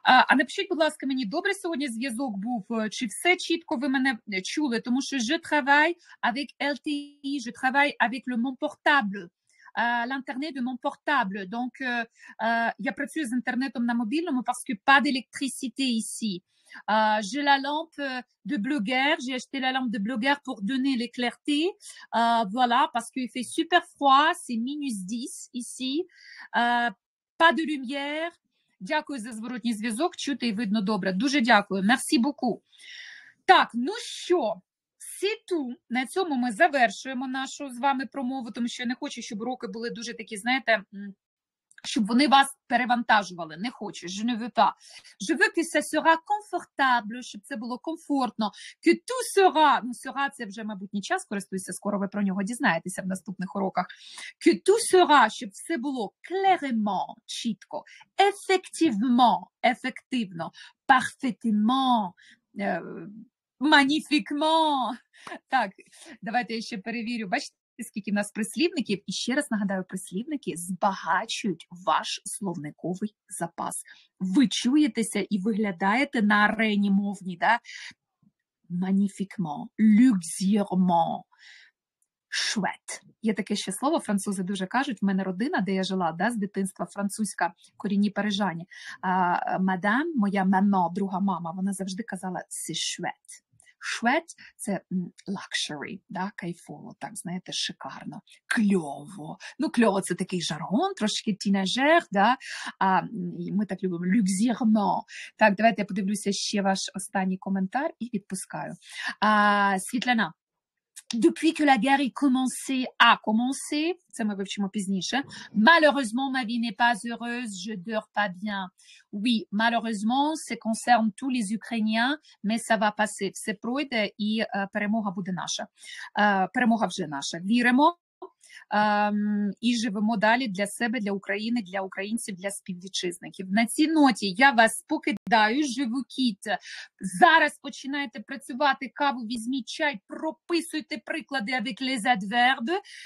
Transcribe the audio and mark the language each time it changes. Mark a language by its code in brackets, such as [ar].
[uk] А напишіть, будь ласка, мені, добре сьогодні зв'язок був, чи все чітко ви мене чули, тому що [fr] «je travaille avec LTE», «je travaille avec le mon portable», «l'internet de mon portable», [uk] donc я працюю з інтернетом на мобільному, [fr] parce que pas d'électricité ici. J'ai la lampe de blogueur, j'ai acheté la lampe de blogueur pour donner les clartés, voilà, parce qu'il fait super froid, c'est minus 10 ici, pas de lumière. [uk] Дякую за зворотній зв'язок, чути і видно добре. Дуже дякую, [fr] merci beaucoup. [uk] Так, ну що, [fr] c'est tout, [uk] на цьому ми завершуємо нашу з вами промову, тому що я не хочу, щоб уроки були дуже такі, знаєте, щоб вони вас перевантажували. Не хочу. [fr] Je ne veux pas. Je veux que ça sera confortable, [uk] щоб це було комфортно. [fr] Que tout sera, [uk] ну, sera, це вже, мабуть, не час користуюся, скоро ви про нього дізнаєтеся в наступних уроках. Que tout sera, щоб все було clairement, чітко. [fr] Effectivement, ефективно. Parfaitement, magnifiquement. [uk] Так, давайте я ще перевірю. Бачите? Скільки в нас прислівників, і ще раз нагадаю, прислівники збагачують ваш словниковий запас. Ви чуєтеся і виглядаєте на арені мовній, да? Magnifiquement, luxuriant, швед. Є таке ще слово, французи дуже кажуть, в мене родина, де я жила, да, з дитинства, французька, корінні парижані. Мадам, моя мамо, друга мама, вона завжди казала «c'est швед». Швед – це luxury, да, кайфово, так, знаєте, шикарно, кльово. Ну, кльово – це такий жаргон, трошки тінежер, да, а ми так любимо, люксірно. Так, давайте я подивлюся ще ваш останній коментар і відпускаю. А, Світлана. [fr] Depuis que la guerre a commencé, [uk] це ми вивчимо пізніше, [fr] malheureusement, ma vie n'est pas heureuse, je dors pas bien. Oui, malheureusement, ça concerne tous les Ukrainiens, mais ça va passer. [uk] Все пройде і перемога буде наша. Перемога вже наша. Віримо і живемо далі для себе, для України, для українців, для співвітчизників. На цій ноті я вас покидаю, живу кіт. Зараз починаєте працювати, каву візьміть, чай, прописуйте приклади [fr] avec les adverbes.